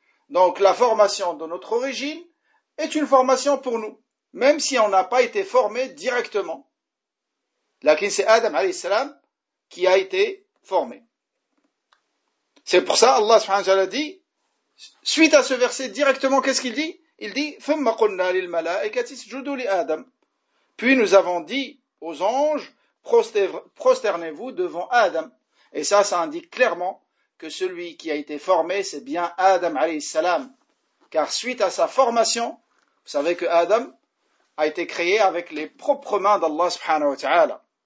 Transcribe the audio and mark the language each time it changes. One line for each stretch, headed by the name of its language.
French: Donc la formation de notre origine est une formation pour nous, même si on n'a pas été formé directement. Là, c'est Adam, alayhi salam, qui a été formé. C'est pour ça Allah subhanahu wa ta'ala dit, suite à ce verset directement, qu'est-ce qu'il dit? Il dit:
Arabic: ثُمَّ قُلْنَا لِلْمَلَائِكَةِ اسْجُدُوا لِآدَمَ.
French: Puis nous avons dit aux anges: prosternez-vous devant Adam. Et ça indique clairement que celui qui a été formé, c'est bien Adam alayhi salam. Car suite à sa formation, vous savez que Adam a été créé avec les propres mains d'Allah subhanahu wa ta'ala.